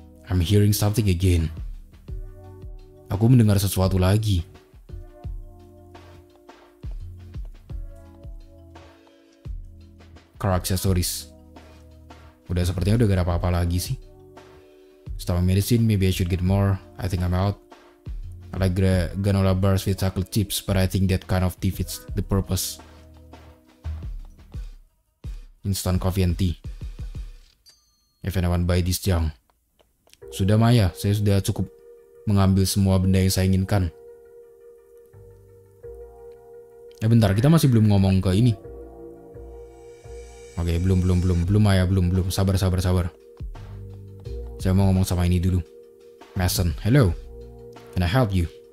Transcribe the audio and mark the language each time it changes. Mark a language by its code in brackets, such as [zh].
[en] I'm hearing something again. [id] Aku mendengar sesuatu lagi. [en] Car accessories. [id] Udah sepertinya udah gak ada apa-apa lagi sih. [en] Stomach medicine, maybe I should get more. I think I'm out. I like granola bars with chocolate chips, but I think that kind of defeats the purpose. Instant coffee and tea. If anyone buy this junk. [id] Sudah Maya, saya sudah cukup mengambil semua benda yang saya inginkan. Bentar, kita masih belum ngomong ke ini. Oke, belum Maya, sabar. Saya mau ngomong sama ini dulu. Mason, hello. [en] Can I help you?